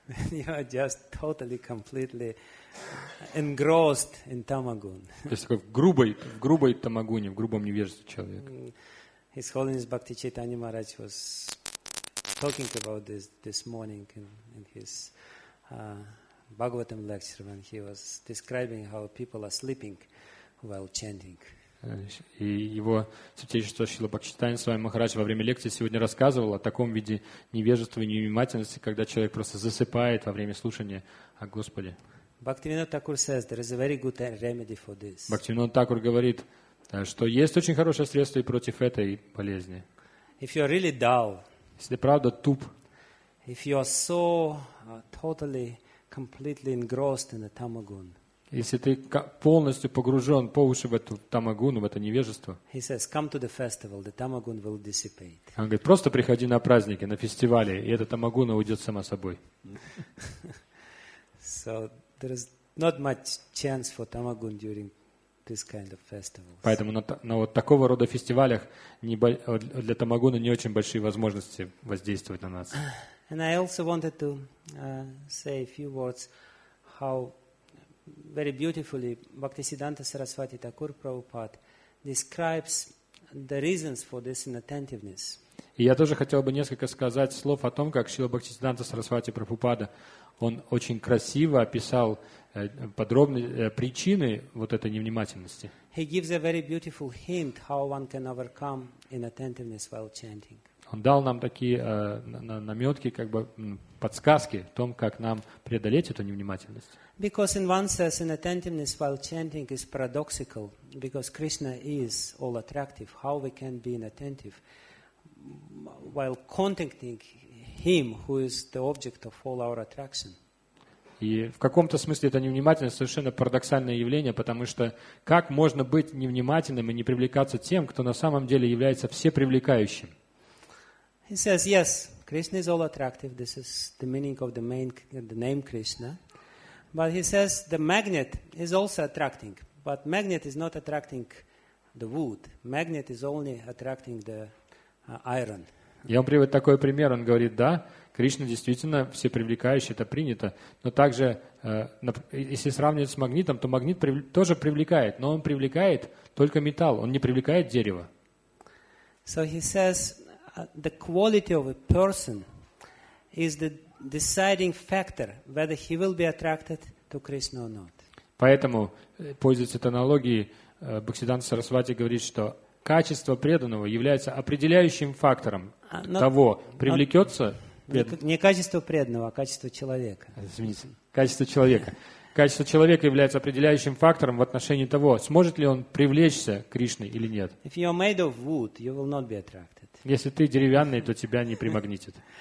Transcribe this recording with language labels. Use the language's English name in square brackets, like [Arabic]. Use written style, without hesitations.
[English] You are just totally, completely engrossed in tamagun. [Russian] То есть такой в грубой тамагуне, в грубом невежестве человек. [English] His Holiness Bhakti Chaitanya Maharaj was talking about this morning in his Bhagavatam lecture when he was describing how people are sleeping while chanting. [Russian] И его святейшество Шрила Бхактичитанья Свами Махарадж во время лекции сегодня рассказывал о таком виде невежества и невнимательности, когда человек просто засыпает во время слушания о Господе. [English] Bhaktivinoda Thakur says there is a very good remedy for this. [Russian] Bhaktivinoda Thakur говорит, что есть очень хорошее средство и против этой болезни. [English] If you are really dull, [Russian] если правда туп, [English] if you are so totally, completely engrossed in the tamagun, [Russian] если ты полностью погружен по уши в эту тамагуну, в это невежество, [English] he says, come to the festival, the tamagun will dissipate. [Russian] Он говорит, просто приходи на праздники, на фестивали, и эта тамагуна уйдет сама собой. [English] So there is not much chance for tamagun during this kind of festivals. [Russian] Поэтому на вот такого рода фестивалях для тамагуна не очень большие возможности воздействовать на нас. [English] And I also wanted to say a few words how very beautifully Bhaktisiddhanta Sarasvati Thakur Prabhupada describes the reasons for this inattentiveness. [Russian] И я тоже хотел бы несколько сказать слов о том, как Шрила Бхактисиддханта Сарасвати Прабхупада, он очень красиво описал подробные причины вот этой невнимательности. [English] He gives a very beautiful hint how one can overcome inattentiveness while chanting. [Russian] Он дал нам такие наметки, как бы подсказки о том, как нам преодолеть эту невнимательность. [English] Because in one sense, inattentiveness while chanting is paradoxical, because Krishna is all attractive. How we can be inattentive while contacting Him, who is the object of all our attraction? [Russian] И в каком-то смысле это невнимательность совершенно парадоксальное явление, потому что как можно быть невнимательным и не привлекаться тем, кто на самом деле является всепривлекающим? [English] He says, yes, Krishna is all attractive. This is the meaning of the name Krishna. But he says the magnet is also attracting, but magnet is not attracting the wood. Magnet is only attracting the iron. [Russian] И он приводит такой пример. Он говорит, да, Кришна действительно все привлекающий, это принято. Но также, если сравнивать с магнитом, то магнит тоже привлекает, но он привлекает только металл, он не привлекает дерево. So he says the quality of a person is the deciding factor whether he will be attracted to Krishna or not. Поэтому, пользуясь этой аналогией, Бхактисиддханта Сарасвати говорит, что качество преданного является определяющим фактором того, привлекется преданный. Не качество преданного, а качество человека. Извините, качество человека. Качество человека является определяющим фактором в отношении того, сможет ли он привлечься к Кришне или нет. [English] If you are made of wood, you will not be attracted. [Russian] Если ты деревянный, то тебя не примагнитит.